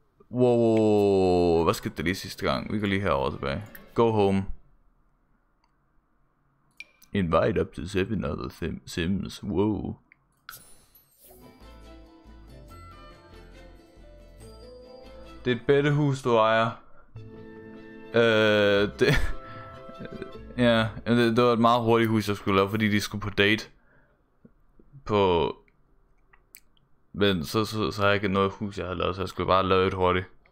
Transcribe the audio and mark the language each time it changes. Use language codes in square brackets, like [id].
[da] Wow, hvad skete der lige sidste gang? Vi går lige herover tilbage. [en] Go home. Invite up to 7 other sims, wow. [da] Det er et bedtehus, du ejer. Det var et meget hurtigt hus, jeg skulle lave, fordi de skulle på date. Men så har jeg ikke noget hus, jeg havde lavet, så jeg skulle bare lave et hurtigt.